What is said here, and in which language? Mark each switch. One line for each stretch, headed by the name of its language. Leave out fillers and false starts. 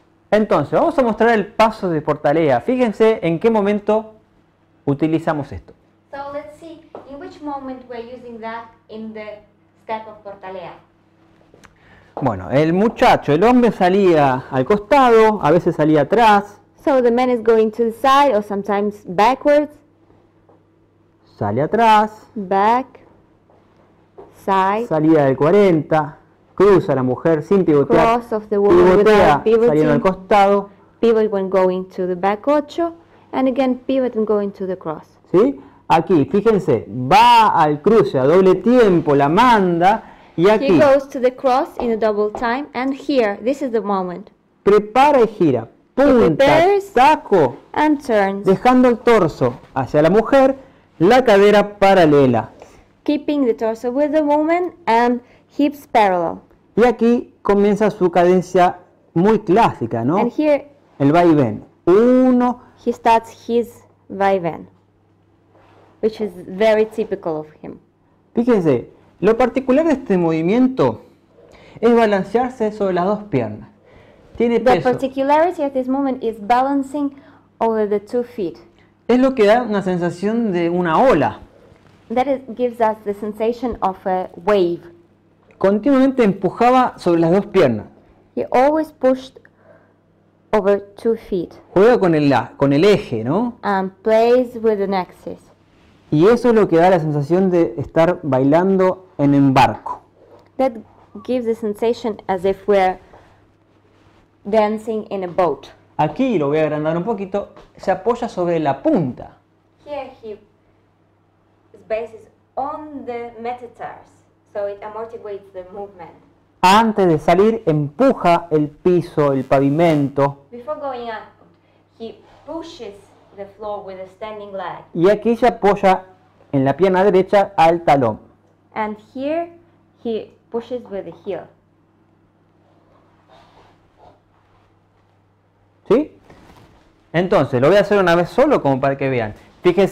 Spanish: Entonces, vamos a mostrar el paso de portalea. Fíjense en qué momento utilizamos esto.
English: So let's see in which moment we're using that in the step of portalea.
Spanish: Bueno, el muchacho, el hombre salía al costado, a veces salía atrás.
English: So the man is going to the side or sometimes backwards.
Spanish: Sale atrás.
English: Back. Side.
Spanish: Salía del 40. Cruza la mujer sin pivotear.
English: Cross of the woman
Spanish: pivotea,
English: without pivoting.
Spanish: Saliendo al costado.
English: Pivot when going to the back 8. And again, pivot when going to the cross.
Spanish: ¿Sí? Aquí, fíjense, va al cruce a doble tiempo, la manda. Y aquí.
English: He goes to the cross in a double time. And here, this is the moment.
Spanish: Prepara y gira. Punta, taco.
English: And turns.
Spanish: Dejando el torso hacia la mujer, la cadera paralela.
English: Keeping the torso with the woman and... hips parallel.
Spanish: Y aquí comienza su cadencia muy clásica, ¿no?
English: And here,
Spanish: el va y ven. Uno.
English: He starts his va y ven, which is very typical of him.
Spanish: Fíjense, lo particular de este movimiento es balancearse sobre las dos piernas. Tiene peso.
English: The particularity of this movement is balancing over the two feet.
Spanish: Es lo que da una sensación de una ola.
English: That is, gives us the sensation of a wave.
Spanish: Continuamente empujaba sobre las dos piernas.
English: He always pushed over two feet.
Spanish: Juega con el eje, ¿no?
English: And plays with an axis.
Spanish: Y eso es lo que da la sensación de estar bailando en embarco.
English: That gives the sensation as if we're dancing in a boat.
Spanish: Aquí lo voy a agrandar un poquito. Se apoya sobre la punta.
English: Here he bases on the metatars. So it amortiguates the movement.
Spanish: Antes de salir, empuja el piso, el pavimento.
English: Before going up, he pushes the floor with a standing leg.
Spanish: Y aquí se apoya en la pierna derecha al talón.
English: And here he pushes with the heel.
Spanish: ¿Sí? Entonces, lo voy a hacer una vez solo como para que vean. Fíjense